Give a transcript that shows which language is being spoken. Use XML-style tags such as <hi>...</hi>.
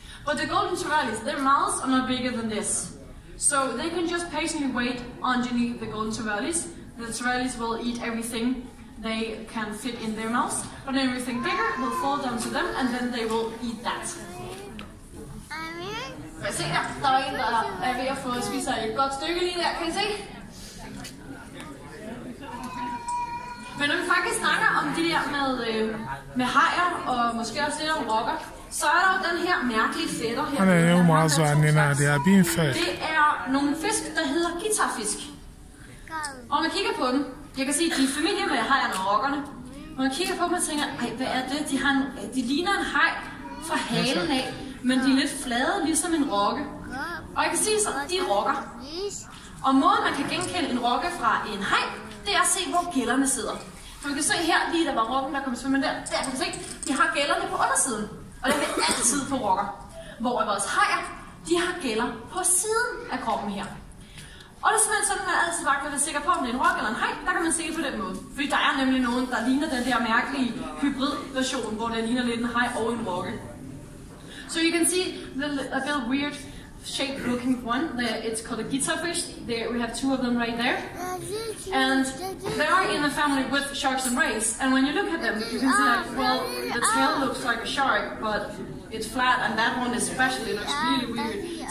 <en>But the golden tarallis, their mouths are not bigger than this. So they can just patiently wait underneath the golden tarallis. The tarallis will eat everything they can fit in their mouths, but everything bigger will fall down to them, and then they will eat that.</en> <da>Kan I se her? Der er en, der er ved at få at spise et godt stykke lige der, kan I se? Men når vi faktisk snakker om de der med hajer og måske også lidt om rokker, så er der jo den her mærkelige fætter her. Han er jo meget sådan, Nina. Det er binfisk. Det er nogle fisk, der hedder guitarfisk. Og man kigger på dem. Jeg kan sige, at de er familie med hajerne og rokkerne. Og man kigger på dem og tænker, ej, hvad er det? De ligner en haj fra halen af. Men de er lidt flade, ligesom en rokke. Og jeg kan sige så, de rokker. Og måden, man kan genkende en rokke fra en haj, det er at se, hvor gællerne sidder. For vi kan se her, lige der var rokken, der kom svømmen der kan vi se, de har gællerne på undersiden. Og det er altid på rokker. Hvor vores hajer, de har gæller på siden af kroppen her. Og det er simpelthen sådan, at man altid bare kan være sikker på, om det er en rokke eller en haj, der kan man se det på den måde. Fordi der er nemlig nogen, der ligner den der mærkelige hybridversion, hvor det ligner lidt en haj og en rokke.</da> <en>So you can see a little weird shape looking one. It's called a guitarfish. We have two of them right there. And they are in a family with sharks and rays. And when you look at them, you can see that, well, the tail looks like a shark, but it's flat, and that one especially looks really weird.</en>